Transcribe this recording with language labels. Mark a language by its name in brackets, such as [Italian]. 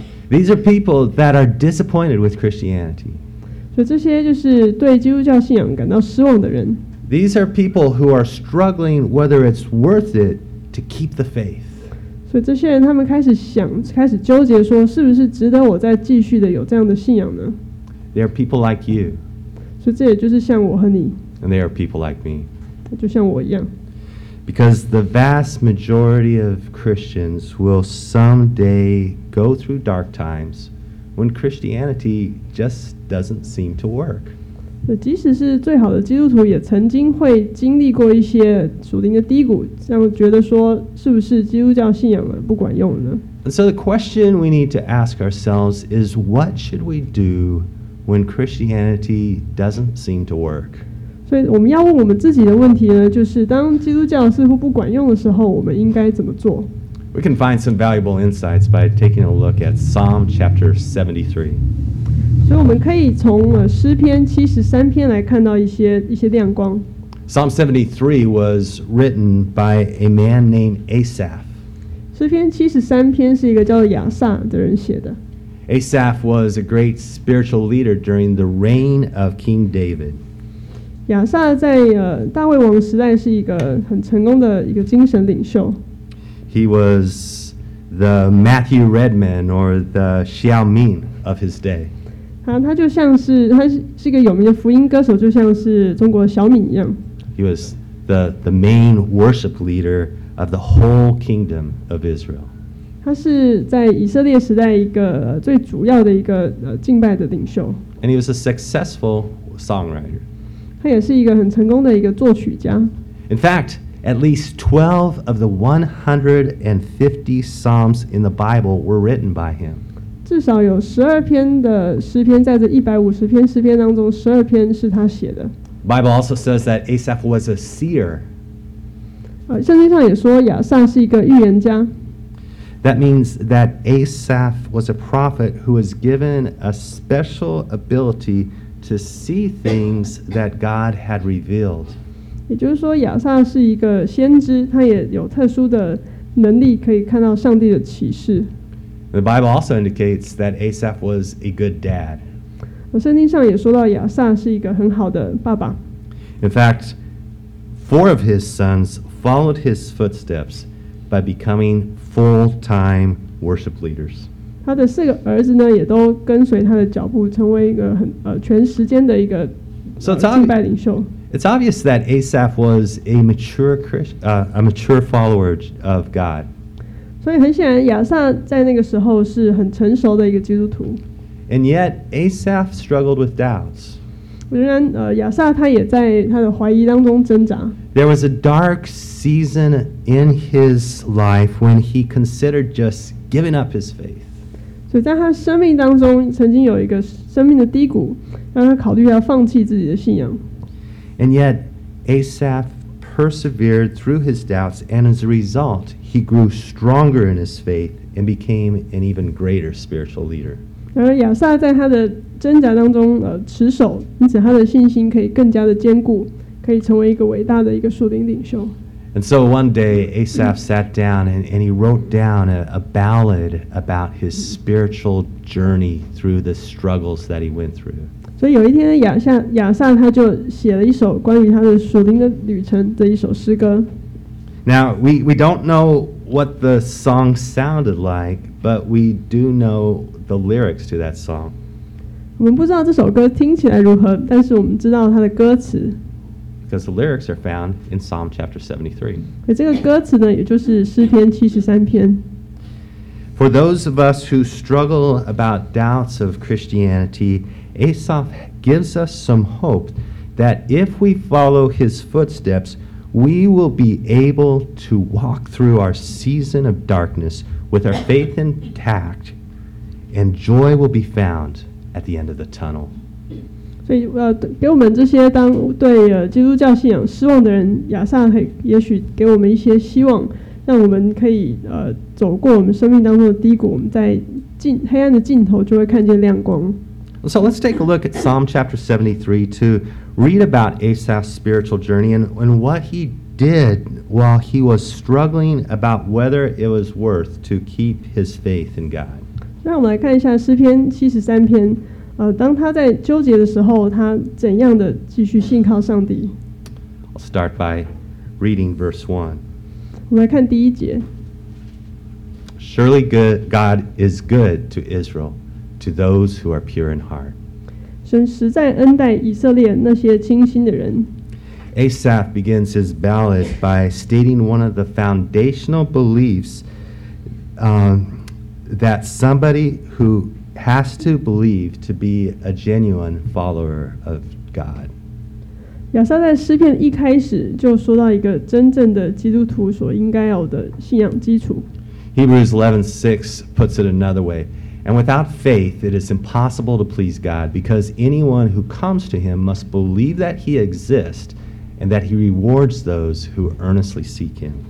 [English] These are people that are disappointed with Christianity. [Chinese] 可这些就是对基督教信仰感到失望的人。 [English] These are people who are struggling whether it's worth it to keep the faith. [Chinese] 所以这些人他们开始想，开始纠结说，是不是值得我再继续的有这样的信仰呢？ [English] They are people like you. [Chinese] 所以这也就是像我和你。 [English] And they are people like me. [Chinese] 就像我一样。 [English] Because the vast majority of Christians will someday go through dark times when Christianity just doesn't seem to work. [Chinese] 即使是最好的基督徒也曾经会经历过一些属灵的低谷，像觉得说是不是基督教信仰了不管用了呢？ [English] And so the question we need to ask ourselves is what should we do when Christianity doesn't seem to work? [Chinese] 所以我们要问我们自己的问题呢，就是当基督教似乎不管用的时候，我们应该怎么做？ [English] We can find some valuable insights by taking a look at Psalm chapter 73. [Chinese] 所以我们可以从诗篇73篇来看到一些亮光。 [English] Psalm 73 was written by a man named Asaph. [Chinese] 诗篇73篇是一个叫亚撒的人写的。 [English] Asaph was a great spiritual leader during the reign of King David. [Chinese] 亚撒在大卫王时代是一个很成功的一个精神领袖。 [English] He was the Matthew Redman or the Xiao Min of his day. [Chinese] 他就像是他是一个有名的福音歌手，就像是中国小敏一样。 [English] He was the main worship leader of the whole kingdom of Israel. [Chinese] 他是在以色列时代一个最主要的一个敬拜的领袖。 [English] And he was a successful songwriter. [Chinese] 他也是一个很成功的一个作曲家。 [English] In fact, at least 12 of the 150 psalms in the Bible were written by him. [Chinese] 至少有12篇的诗篇，在这150篇诗篇当中，12篇是他写的。 [English] Bible also says that Asaph was a seer. [Chinese] 圣经上也说亚撒是一个预言家。 [English] That means that Asaph was a prophet who was given a special ability. To see things that God had revealed. [Chinese] 也就是说，亚撒是一个先知，他也有特殊的能力，可以看到上帝的启示。 [English] The Bible also indicates that Asaph was a good dad. [Chinese] 圣经上也说到亚撒是一个很好的爸爸。 [English] In fact, four of his sons followed his footsteps by becoming full-time worship leaders. [Chinese] 他的四个儿子呢，也都跟随他的脚步，成为一个很全时间的一个敬拜领袖。 [English] It's obvious that Asaph was a mature follower of God. [Chinese] 所以很显然，亚撒在那个时候是很成熟的一个基督徒。 [English] And yet Asaph struggled with doubts. [Chinese] 仍然，亚撒他也在他的怀疑当中挣扎。 [English] There was a dark season in his life when he considered just giving up his faith. [Chinese] 所以在他生命当中曾经有一个生命的低谷，让他考虑要放弃自己的信仰。 [English] And yet, Asaph persevered through his doubts, and as a result, he grew stronger in his faith and became an even greater spiritual leader. [Chinese] 而亚撒在他的挣扎当中持守，因此他的信心可以更加的坚固，可以成为一个伟大的一个属灵领袖。 [English] And so one day, Asaph sat down and he wrote down a ballad about his spiritual journey through the struggles that he went through. [Chinese] 所以有一天亚撒他就写了一首关于他的属灵的旅程的一首诗歌。 [English] Now, we don't know what the song sounded like, but we do know the lyrics to that song. [Chinese] 我们不知道这首歌听起来如何，但是我们知道它的歌词。 [English] Because the lyrics are found in Psalm chapter 73. [Chinese] 这个歌词呢，也就是诗篇73篇。 [English] For those of us who struggle about doubts of Christianity, Asaph gives us some hope that if we follow his footsteps, we will be able to walk through our season of darkness with our faith intact, and joy will be found at the end of the tunnel. [Chinese] 所以给我们这些当对基督教信仰失望的人，亚撒也许给我们一些希望，让我们可以走过我们生命当中的低谷，我们在黑暗的尽头就会看见亮光。 [English] So let's take a look at Psalm chapter 73 to read about Asaph's spiritual journey and what he did while he was struggling about whether it was worth to keep his faith in God. [Chinese] 让我们来看一下诗篇73篇。当他在纠结的时候，他怎样的继续信靠上帝？ [English] I'll start by reading verse 1. [Chinese] 我们来看第一节。 [English] Surely God is good to Israel, to those who are pure in heart. [Chinese] 神实在恩待以色列那些清心的人。 [English] Asaph begins his ballad by stating one of the foundational beliefs that somebody who has to believe to be a genuine follower of God. [Chinese] 亚撒在诗篇一开始就说到一个真正的基督徒所应该有的信仰基础。 [English] Hebrews 11:6 puts it another way. And without faith, it is impossible to please God, because anyone who comes to him must believe that he exists and that he rewards those who earnestly seek him.